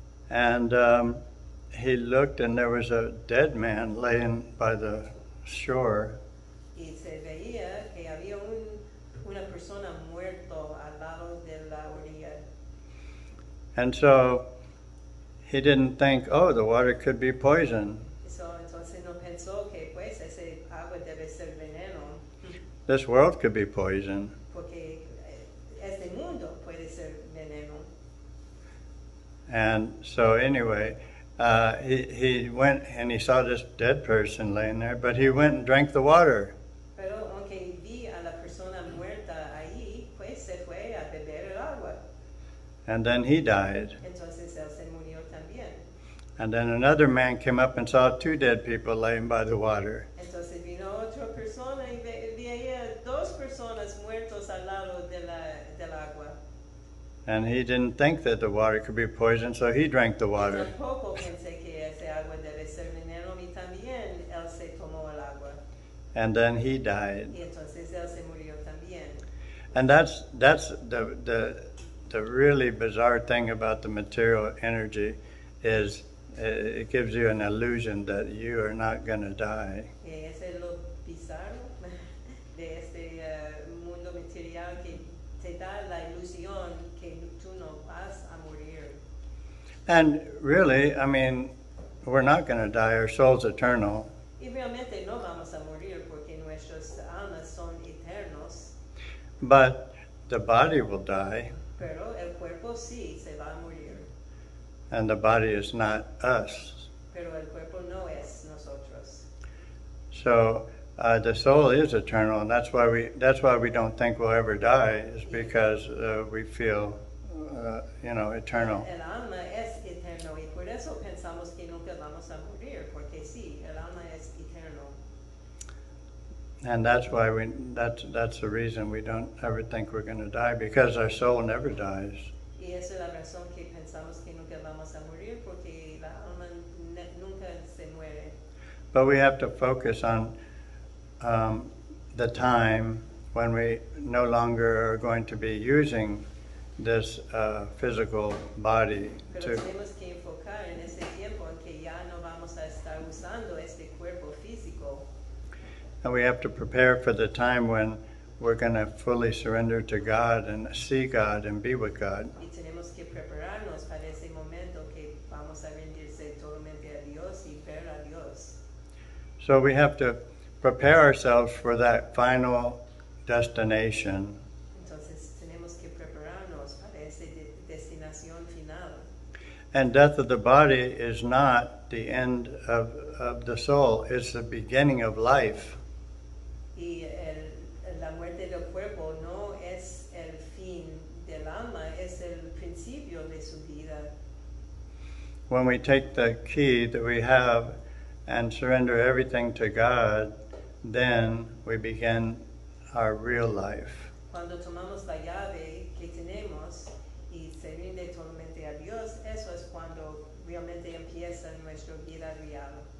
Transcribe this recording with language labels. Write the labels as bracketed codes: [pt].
[en] And he looked, and there was a dead man laying by the shore. [es] Y se veía que había una persona muerto al lado de la orilla. [en] And so he didn't think, oh, the water could be poison. [es] So, entonces no pensó que pues ese agua debe ser veneno. [en] This world could be poison. [es] Porque este mundo puede ser veneno. [en] And so anyway, he went and he saw this dead person laying there, but he went and drank the water. [es] Pero aunque vi a la persona muerta ahí, pues se fue a beber el agua. [en] And then he died. [es] Entonces él se murió también. [en] And then another man came up and saw two dead people laying by the water. [es] Entonces vino otra persona y veía dos personas muertos al lado del agua. [en] And he didn't think that the water could be poisoned, so he drank the water. [es] Tampoco pensé que ese agua debe ser veneno, y también él se tomó el agua. [en] And then he died. [es] Y entonces él se murió también. [en] And that's the really bizarre thing about the material energy is it gives you an illusion that you are not going to die. [es] Es lo bizarro de este mundo material que te da la ilusión que tú no vas a morir. [en] And really, I mean, we're not going to die. Our soul's eternal. [es] Y realmente no vamos a morir porque nuestras almas son eternos. [en] But the body will die. [es] Pero el cuerpo sí se va a morir. [en] And the body is not us. [es] Pero el cuerpo no es nosotros. [en] So the soul is eternal, and that's why we don't think we'll ever die, is because we feel, eternal. [es] El alma es eterno, y por eso pensamos que nunca vamos a morir, porque sí, el alma es eterno. [en] And that's the reason we don't ever think we're going to die, because our soul never dies. [es] Y esa es la razón que pensamos que nunca vamos a morir porque la alma nunca se muere. [en] But we have to focus on the time when we no longer are going to be using this physical body. [es] Pero tenemos que enfocar en ese tiempo en que ya no vamos a estar usando este cuerpo físico. [en] And we have to prepare for the time when we're going to fully surrender to God and see God and be with God. [es] Y tenemos que prepararnos para ese momento que vamos a rendirse totalmente a Dios y ver a Dios. [en] So we have to prepare ourselves for that final destination. [es] Entonces tenemos que prepararnos para ese destinación final. [en] And death of the body is not the end of the soul. It's the beginning of life. [es] Y la muerte del cuerpo no es el fin del alma, es el principio de su vida. [en] When we take the key that we have and surrender everything to God, then we begin our real life. [es] Cuando tomamos la llave que tenemos y se rinde totalmente a Dios, eso es cuando realmente empieza nuestra vida real.